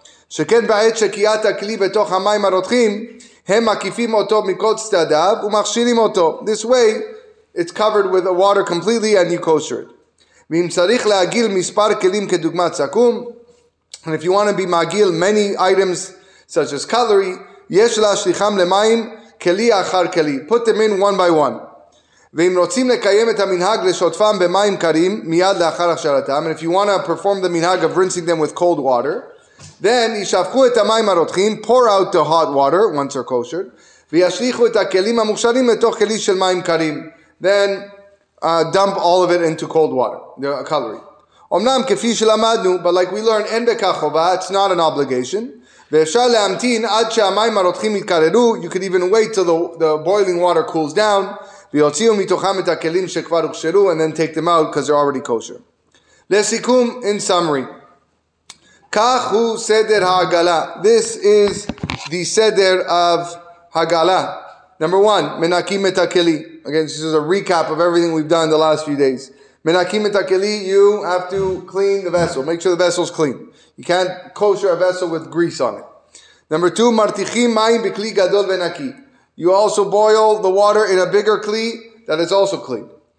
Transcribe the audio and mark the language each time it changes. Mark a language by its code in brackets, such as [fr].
[he] שכן בעת שקיעת הכלי בתוך המים הרותחים, הם מקיפים אותו מכל צדדיו ומכשירים אותו. [en] This way, it's covered with the water completely and you kosher it. [he] ואם צריך להגיל מספר כלים כדוגמת סכום, [en] and if you want to be מגיל many items such as cutlery, [he] יש להשליחם למים כלי אחר כלי. [en] Put them in one by one. [he] ואם רוצים לקיים את המנהג לשוטפם במים קרים, מיד לאחר הכשרתם, [en] and if you want to perform the מנהג of rinsing them with cold water, then [he] ישפכו את המים הרותחים, [en] pour out the hot water, once they're kosher, [he] וישליחו את הכלים המוכשרים לתוך כלי של מים קרים. [en] Then, dump all of it into cold water, the cutlery. [he] אמנם כפי שלמדנו, [en] but like we learned, [he] אין בכך חובה, [en] it's not an obligation. [he] ואפשר להמתין עד שהמים הרותחים יתקררו, [en] you could even wait till the boiling water cools down, [he] ויוציאו מתוכם את הכלים שכבר הוכשרו, [en] and then take them out because they're already kosher. [he] לסיכום, [en] in summary, [he] כך הוא סדר העגלה. [en] This is the סדר of [he] Hagalah. [en] Number one, [he] menakim et hakeli. [en] Again, this is a recap of everything we've done the last few days. [he] Menakim et hakeli, [en] you have to clean the vessel. Make sure the vessel's clean. You can't kosher a vessel with grease on it. Number two, [he] martichim mayim bikli gadol venaki. [en] You also boil the water in a bigger kli that is also clean.